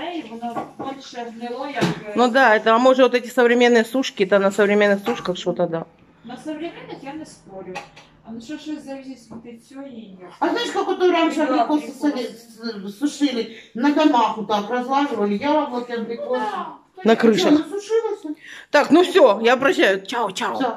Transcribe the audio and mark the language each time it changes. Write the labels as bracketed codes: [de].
[ru] Может, это спрей, оно больше гнило, как... Ну да, это, а может вот эти современные сушки, это на современных сушках что-то, да. На современных я не спорю. [uk] А ну що зависить від цього і ні? А знаєш, як ото раніше абрикоси сушили, на домах так розлажували, я роблю абрикоси. [ru] Ну, да. [uk] На кришах. Сушилося. [ru] Так, ну все, я прощаю. Чао-чао.